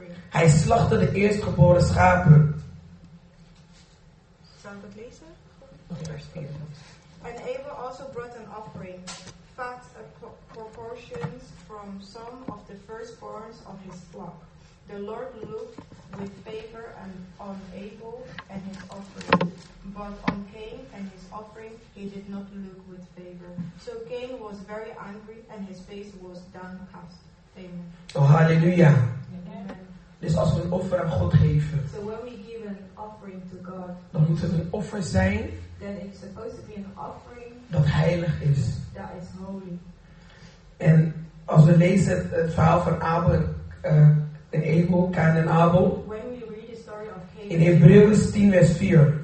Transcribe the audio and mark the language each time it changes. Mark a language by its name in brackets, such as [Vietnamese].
[Dutch] Hij slachtte de eerstgeboren schapen. Zal ik het lezen? [English] And Abel also brought an offering, fat proportions from some of the firstborns of his flock. The Lord looked with favor on Abel and his offering, but on Cain and his offering he did not look with favor. So Cain was very angry and his face was downcast. Amen. Oh, halleluja. [Dutch] Dus als we een offer aan God geven. [English] So when we give an offering to God, [Dutch] dan moet het een offer zijn. [English] Then it's supposed to be an offering [Dutch] dat heilig is. [English] That is holy. [Dutch] En als we lezen het verhaal van Abel en Abel, Cain en Abel. [English] When we read the story of [Dutch] Cain, in Hebreeuws 10 vers 4.